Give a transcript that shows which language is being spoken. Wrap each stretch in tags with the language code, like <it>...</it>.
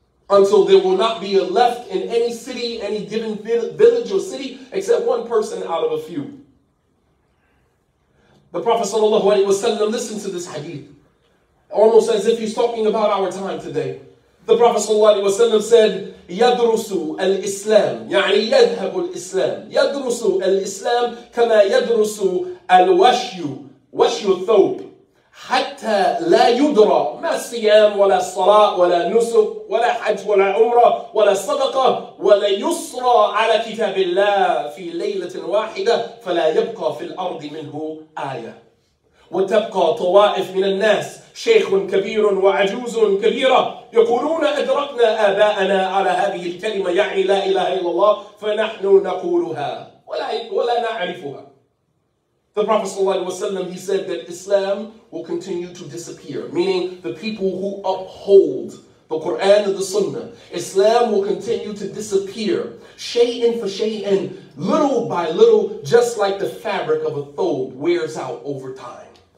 <en>Until there will not be a left in any city, any given village or city, except one person out of a few. The Prophet sallallahu alaihi wasallam listened to this hadith. Almost as if he's talking about our time today. The Prophet sallallahu alaihi wasallam said,</en> <ar>يَدْرُسُ الْإِسْلَامِ يَعْنِي يَذْهَبُ الْإِسْلَامِ يَدْرُسُ الْإِسْلَامِ كَمَا يَدْرُسُ الْوَشْيُ وَشْيُ الثَّوْبِ حَتَّى لَا يُدْرَى مَا الصِّيَامُ وَلَا الصَّلَاةُ وَلَا نُسُكُ وَلَا حَجْ وَلَا عُمْرَةُ وَلَا صَدَقَةُ وَلَا يُصْرَى عَلَى كِتَابِ اللَّهِ فِي لَيْلَةٍ وَاحِدَةٍ فَلَا يَبْقَى فِي الْأَرْضِ مِنْهُ آيَةٌ وتبقى طوائف من الناس شيخ كبير وعجوز كبيرة يقولون أدركنا آباءنا على هذه الكلمة يعني لا إله إلا الله فنحن نقولها ولا نعرفها.</ar> <en>The Prophet sallallahu alaihi wasallam, he said that Islam will continue to disappear, meaning the people who uphold the Quran and the Sunnah. Islam will continue to disappear, shay'in for shay'in, little by little, just like the fabric of a thobe wears out over time.</en>